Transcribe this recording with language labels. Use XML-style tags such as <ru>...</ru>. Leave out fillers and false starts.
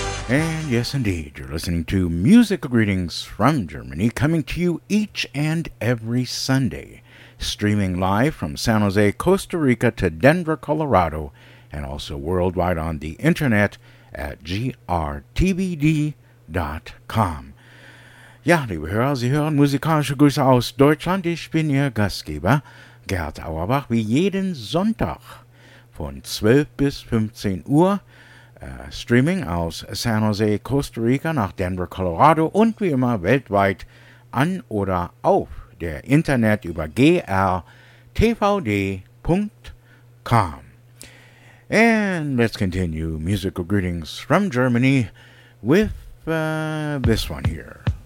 <en>And yes, indeed, you're listening to Musical Greetings from Germany, coming to you each and every Sunday, streaming live from San Jose, Costa Rica to Denver, Colorado, and also worldwide on the internet at grtvd.com.</en> <de>Ja, liebe Hörer, Sie hören musikalische Grüße aus Deutschland. Ich bin Ihr Gastgeber, Gerd Auerbach, wie jeden Sonntag von 12 bis 15 Uhr. Streaming aus San Jose, Costa Rica nach Denver, Colorado und wie immer weltweit an oder auf der Internet über grtvd.com.</de> <en>And let's continue musical greetings from Germany with this one here.</en>